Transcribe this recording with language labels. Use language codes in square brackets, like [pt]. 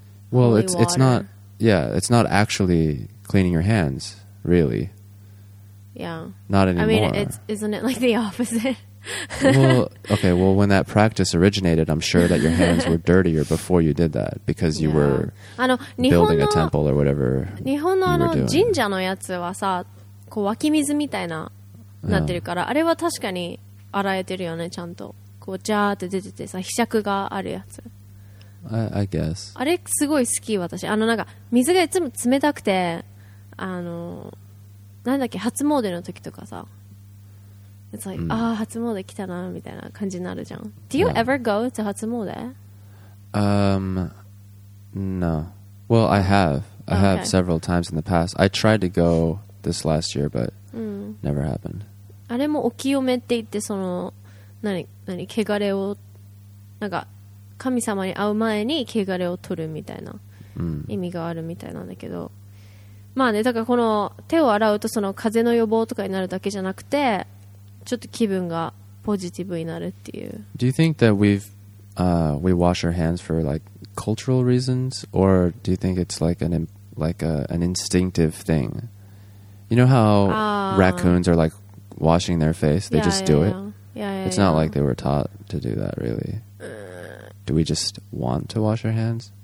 [en] Well, it's not, yeah, it's not actually cleaning your hands, really. Yeah. Not anymore. I mean, isn't it like the opposite? Well, when that practice originated, I'm sure that your hands were dirtier before you did that because you were building a temple or whatever. [ja] 日本のあの神社のやつはさ、こう湧き水みたいななってるから、あれは確かに洗えてるよね、ちゃんと。こうジャーって出ててさ、ひしゃくがあるやつ。 [en] I guess. [ja] あれすごい好き、私。あのなんか水がいつも冷たくて、あの、なんだっけ、初詣の時とかさ。 [en] It's like, ah, [ja] 初詣来たなみたいな感じになるじゃん。 [en] Do you ever go to 初詣? No. Well, I have. I have several times in the past. I tried to go this last year, but never happened. [ja] あれもお清めって言って、その何汚れを、なんか神様に会う前に汚れを取るみたいな意味があるみたいなんだけど、まあね、だからこの手を洗うとその風邪の予防とかになるだけじゃなくて、ちょっと気分がポジティブになるっていう。 [en] Do you think that we wash our hands for like cultural reasons, or do you think it's like an instinctive thing? You know how raccoons are like washing their face? They just do it. It's not like they were taught to do that, really. Do we just want to wash our hands?